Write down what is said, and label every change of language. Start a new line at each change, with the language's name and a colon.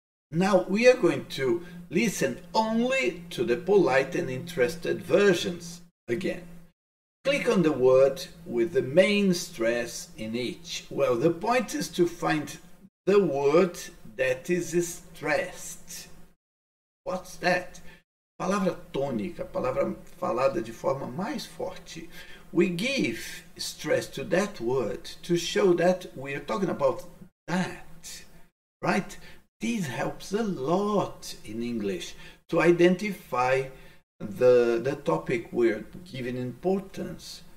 English: Now, we are going to listen only to the polite and interested versions again. Click on the word with the main stress in each. Well, the point is to find the word that is stressed. What's that?
Portuguese: Palavra tônica, palavra falada de forma mais forte.
English: We give stress to that word to show that we are talking about that, right? This helps a lot in English to identify the topic we're giving importance.